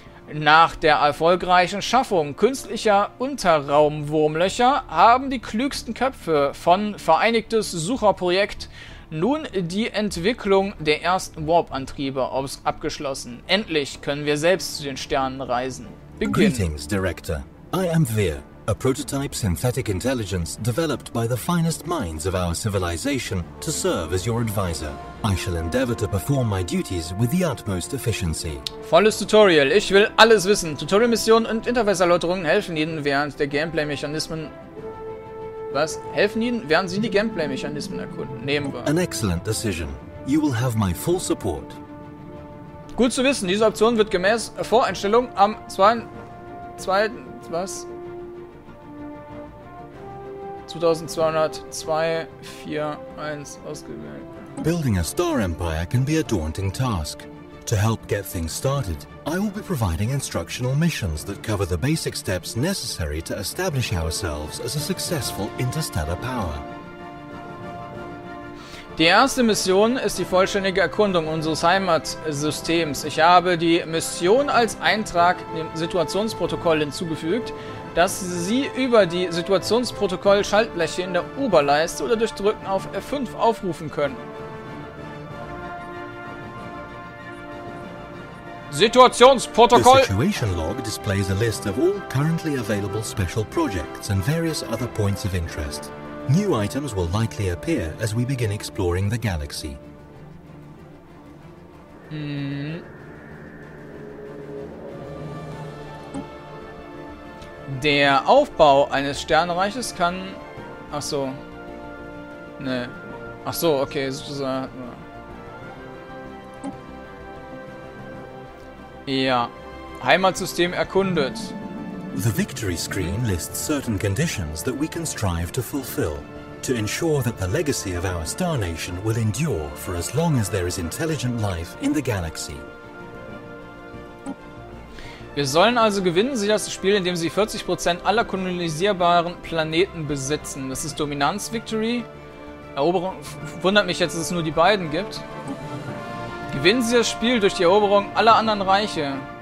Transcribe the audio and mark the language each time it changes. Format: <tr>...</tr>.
<de>Nach der erfolgreichen Schaffung künstlicher Unterraumwurmlöcher haben die klügsten Köpfe von Vereinigtes Sucherprojekt nun die Entwicklung der ersten Warp-Antriebe abgeschlossen. Endlich können wir selbst zu den Sternen reisen. Beginn.</de> <en>Greetings, Director. I am Veer, a prototype synthetic intelligence developed by the finest minds of our civilization to serve as your advisor. I shall endeavor to perform my duties with the utmost efficiency.</en> <de>Volles Tutorial. Ich will alles wissen. Tutorial-Missionen und Interface-Erläuterungen helfen Ihnen, während der Gameplay-Mechanismen... Was? Helfen Ihnen, während Sie die Gameplay-Mechanismen erkunden? Nehmen wir.</de> <en>An excellent decision. You will have my full support.</en> <de>Gut zu wissen. Diese Option wird gemäß Voreinstellung am 2. Was? 2202-4-1 ausgewählt.</de> <en>Building a star empire can be a daunting task. To help get things started, I will be providing instructional missions that cover the basic steps necessary to establish ourselves as a successful interstellar power.</en> <de>Die erste Mission ist die vollständige Erkundung unseres Heimatsystems. Ich habe die Mission als Eintrag im Situationsprotokoll hinzugefügt, dass Sie über die Situationsprotokoll-Schaltbleche in der Oberleiste oder durch Drücken auf F5 aufrufen können. Situationsprotokoll.</de> <en>The situation log displays a list of all currently available special projects and various other points of interest. New items will likely appear as we begin exploring the galaxy.</en> <de>Der Aufbau eines Sternreiches kann... Ach so. Ne. Ach so, okay. Ja. Heimatsystem erkundet.</de> <en>The Victory Screen lists certain conditions that we can strive to fulfill, to ensure that the legacy of our Star Nation will endure for as long as there is intelligent life in the galaxy.</en> <de>Wir sollen also gewinnen, sich das Spiel, indem sie 40% aller kolonisierbaren Planeten besitzen. Das ist Dominanz Victory. Eroberung. Wundert mich jetzt, dass es nur die beiden gibt. Gewinnen sie das Spiel durch die Eroberung aller anderen Reiche.</de>